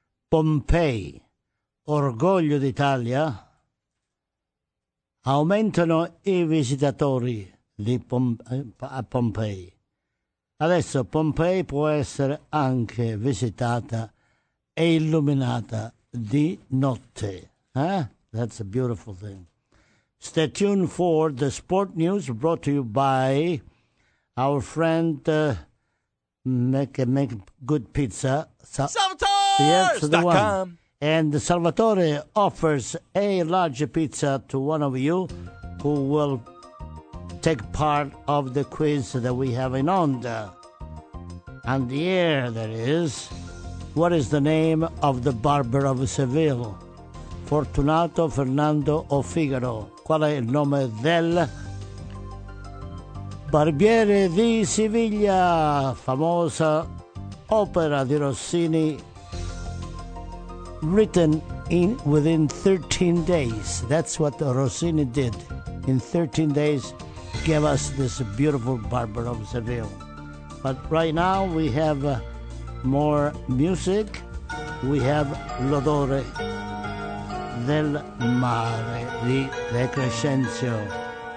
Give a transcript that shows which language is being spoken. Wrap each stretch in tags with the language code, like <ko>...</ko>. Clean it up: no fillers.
<it>Pompei, orgoglio d'Italia, aumentano i visitatori di Pompei. Adesso Pompei può essere anche visitata e illuminata di notte.</it> <en>Eh? That's a beautiful thing. Stay tuned for the sport news brought to you by our friend make good pizza. Salvatore.com. And Salvatore offers a large pizza to one of you who will take part of the quiz that we have</en> <it>in onda.</it> <en>And the air that is, what is the name of the barber of Seville?</en> <it>Fortunato, Fernando o Figaro? Qual è il nome del barbiere di Siviglia, famosa opera di Rossini,</it> <en>written in within 13 days. That's what Rossini did. In 13 days, gave us this beautiful Barber of Seville. But right now, we have more music. We have L'odore del mare di De Crescenzo.</en>